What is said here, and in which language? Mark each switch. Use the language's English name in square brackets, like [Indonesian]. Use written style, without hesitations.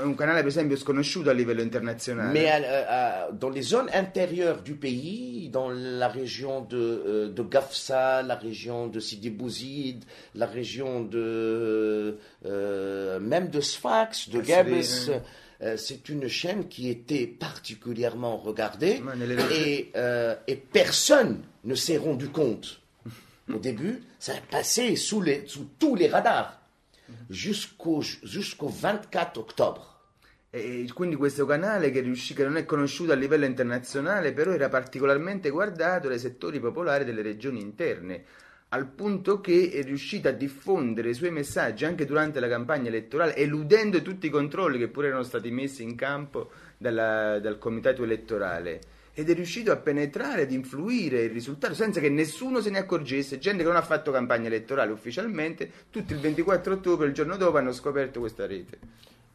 [Italian] È un canale, per esempio, sconosciuto a livello internazionale. [French] Mais dans les zones intérieures du pays, dans la région de Gafsa, la région de Sidi Bouzid, la région de même de Sfax, de Gebes. C'est une chaîne qui était particulièrement regardée et personne ne s'est rendu compte au début. Ça a passé sous tous les radars jusqu'au 24 octobre. [Italian] E quindi questo canale che non è conosciuto a livello internazionale, però era particolarmente guardato dai settori popolari delle regioni interne, al punto che è riuscita a diffondere i suoi messaggi anche durante la campagna elettorale, eludendo tutti i controlli che pure erano stati messi in campo dal comitato elettorale, ed è riuscito a penetrare, ad influire il risultato senza che nessuno se ne accorgesse, gente che non ha fatto campagna elettorale ufficialmente, tutti il 24 ottobre, il giorno dopo, hanno scoperto questa rete.